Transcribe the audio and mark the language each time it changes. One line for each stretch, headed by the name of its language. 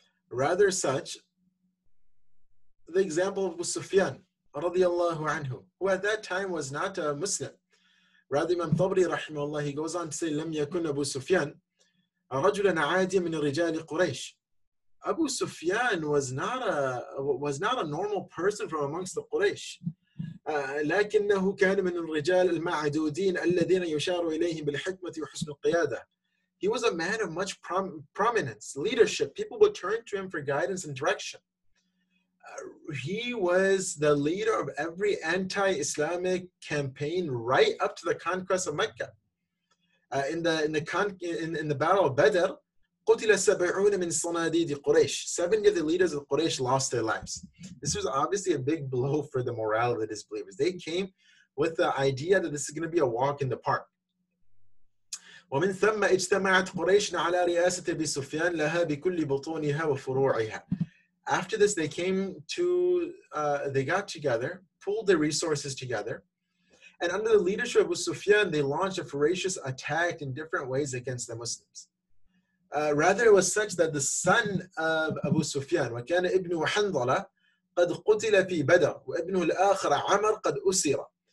English: Rather such, the example of Abu Sufyan radiallahu anhu, who at that time was not a Muslim. Rather, Imam Tabari rahimahullah, he goes on to say,
Arabic: لم يكن أبو سفيان رجلا عاديا من رجال قريش.
English: Abu Sufyan was not a normal person from amongst the Quraysh.
Arabic: لكنه كان من الرجال المعدودين الذين يشار إليهم بالحكمة وحسن القيادة.
English: He was a man of much prominence, leadership. People would turn to him for guidance and direction. He was the leader of every anti-Islamic campaign right up to the conquest of Mecca. In the battle of Badr,
Arabic: قُتِلَ سَبْعُونَ مِنْ صَنَادِيدِ قُرَيْشِ
English: 70 of the leaders of Quraysh lost their lives. This was obviously a big blow for the morale of the disbelievers. They came with the idea that this is going to be a walk in the park.
Arabic: ومن ثم اجتمعت قريش على رئاسة أبي سفيان لها بكل بطونها وفروعها.
English: After this, they came to, they got together, pulled their resources together, and under the leadership of Abu Sufyan, they launched a ferocious attack in different ways against the Muslims. Rather, it was such that the son of Abu Sufyan,
Arabic: وكان ابن حنظلة قد قتل في بدر وابنه الآخر عمر قد أسر.